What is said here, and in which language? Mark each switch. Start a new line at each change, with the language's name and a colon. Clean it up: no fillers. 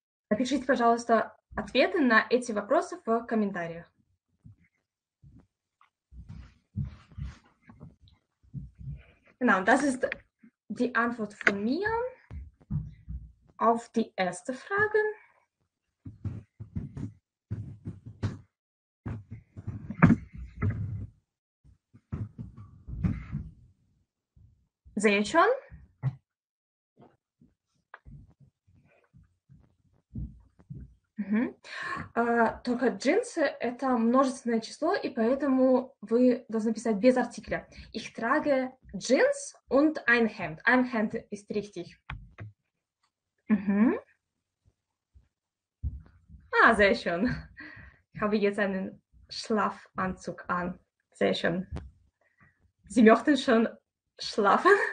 Russian: Напишите, пожалуйста, ответы на эти вопросы в комментариях.
German: Genau, das ist die Antwort von mir auf die erste Frage. Sehe ich schon?
Russian: Только джинсы – это множественное число, и поэтому вы должны писать без артикля.
German: Ich trage Jeans und ein Hemd. Ein Hemd ist richtig. Ah, sehr schön. Ich habe jetzt einen Schlafanzug an. Sehr schön. Sie möchten schon schlafen?